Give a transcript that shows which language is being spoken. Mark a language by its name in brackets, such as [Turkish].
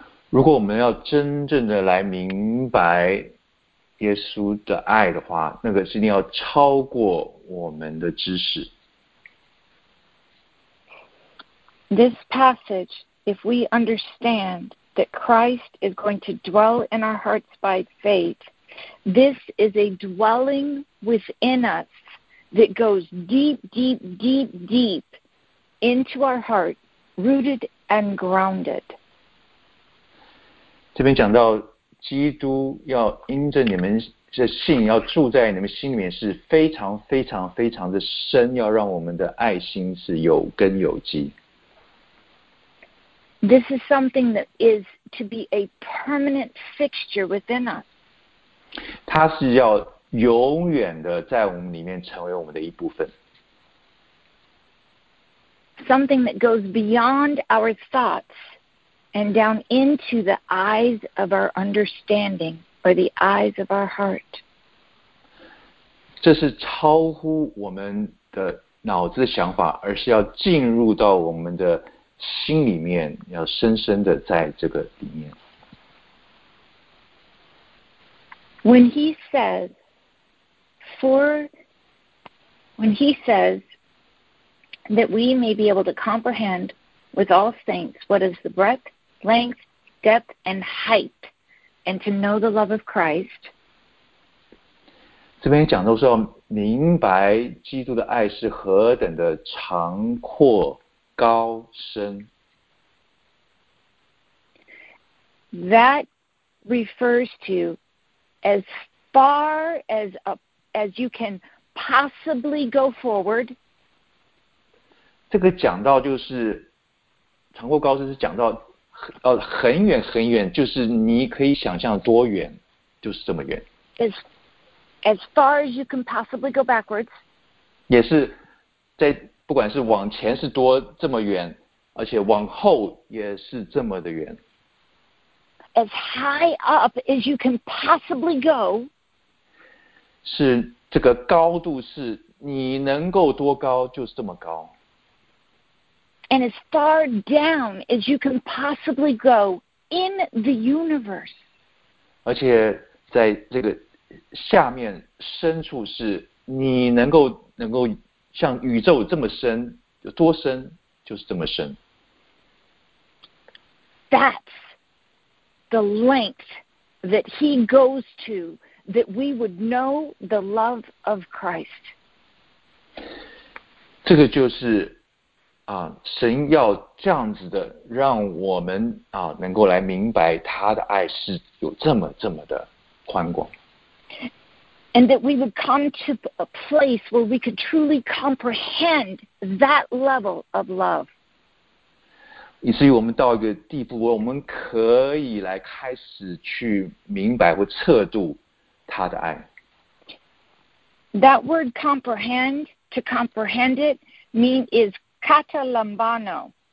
[Chinese] 如果我们要真正的来明白耶稣的爱的话，那个是一定要超过我们的知识。 [English] This passage, if we understand that Christ is going to dwell in our hearts by faith, this is a dwelling within us that goes deep, deep, deep, deep into our heart, rooted and grounded. [Chinese] 这边讲到基督要因着你们的信要住在你们心里面是非常非常非常的深，要让我们的爱心是有根有基。 [English] This is something that is to be a permanent fixture within us. [Chinese] 它是要永远的在我们里面成为我们的一部分。 [English] Something that goes beyond our thoughts and down into the eyes of our understanding or the eyes of our heart. [Chinese] 这是超乎我们的脑子的想法，而是要进入到我们的心里面，要深深的在这个里面。 [English] When he says, that we may be able to comprehend with all saints what is the breadth, length, depth, and height, and to know the love of Christ. [Chinese] 这边讲到说，明白基督的爱是何等的长阔高深。 [English] That refers to as far as you can possibly go forward. [Chinese] 这个讲到就是长阔高深，是讲到很远很远，就是你可以想象多远，就是这么远。 [English] As far as you can possibly go backwards. [Chinese] 也是在不管是往前是多这么远，而且往后也是这么的远。 [English] As high up as you can possibly go. [Chinese] 是这个高度是你能够多高就是这么高。 [English] And as far down as you can possibly go in the universe. [Chinese] 而且在这个下面深处是你能够像宇宙这么深，有多深就是这么深。 [English] That's the length that he goes to that we would know the love of Christ. [Chinese] 这个就是神要这样子的，让我们能够来明白他的爱是有这么这么的宽广。 [English] And that we would come to a place where we could truly comprehend that level of love. [Chinese] 以至于我们到一个地步，我们可以来开始去明白或测度他的爱。 [English] That word comprehend, to comprehend it, mean is katalambano.